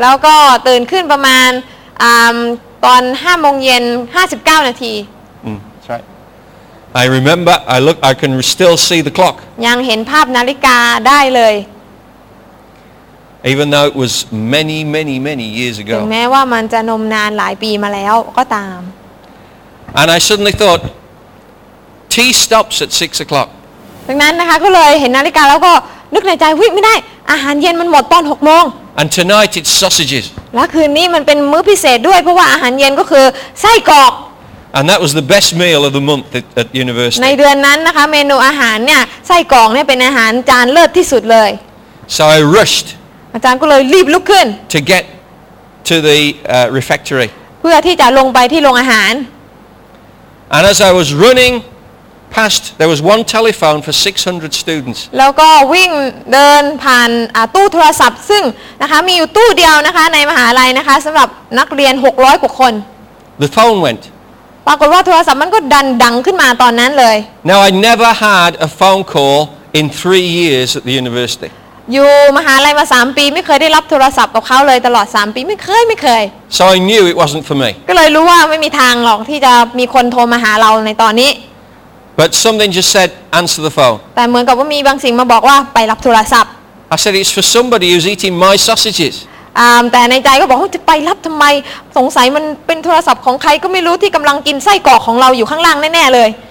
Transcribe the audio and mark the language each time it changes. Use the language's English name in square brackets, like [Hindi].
[Thai] แล้วก็ตื่นขึ้นประมาณตอน5 โมงเย็น59 นาที ใช่ [English] I remember I look I can still see the clock [Thai] ยังเห็นภาพนาฬิกาได้เลย [English] Even though it was many years ago [Thai] ถึงแม้ว่ามันจะนมนานหลายปีมาแล้วก็ตาม [English] And I suddenly thought tea stops at 6 o'clock [Thai] ดังนั้นนะคะก็เลยเห็นนาฬิกาแล้วก็นึกในใจวิ่งไม่ได้อาหารเย็นมันหมดตอน6 โมง [English] And tonight it's sausages [Thai] และคืนนี้มันเป็นมื้อพิเศษด้วยเพราะว่าอาหารเย็นก็คือไส้กรอก [English] And that was the best meal of the month at university [Thai] ในเดือนนั้นนะคะเมนูอาหารเนี่ยไส้กรอกเนี่ยเป็นอาหารจานเลิศที่สุดเลย [English] So I rushed [Thai] อาจารย์ก็เลยรีบลุกขึ้น [English] to get to the refectory [Thai] เพื่อที่จะลงไปที่โรงอาหาร [English] And as I was running past there was one telephone for 600 students [Thai] แล้วก็วิ่งเดินผ่านตู้โทรศัพท์ซึ่งนะคะมีอยู่ตู้เดียวนะคะในมหาลัยนะคะสําหรับนักเรียน600 กว่าคน [English] The phone went [Thai] ปรากฏว่าโทรศัพท์มันก็ดันดังขึ้นมาตอนนั้นเลย [English] Now I never had a phone call in 3 years at the university [Thai] อยู่มหาลัยมา3ปีไม่เคยได้รับโทรศัพท์กับเขาเลยตลอด3ปีไม่เคย [English] So I knew it wasn't for me [Thai] ก็เลยรู้ว่าไม่มีทางหรอกที่จะมีคนโทรมาหาเราในตอนนี้ [English] But something just said, answer the phone. [Thai] แต่เหมือนกับว่ามีบางสิ่งมาบอกว่าไปรับโทรศัพท์ [English] I said it's for somebody who's eating my sausages. [Thai] แต่ในใจก็บอกว่าจะไปรับทำไมสงสัยมันเป็นโทรศัพท์ของใครก็ไม่รู้ที่กำลังกินไส้กรอกของเราอยู่ข้างล่างแน่ๆเลย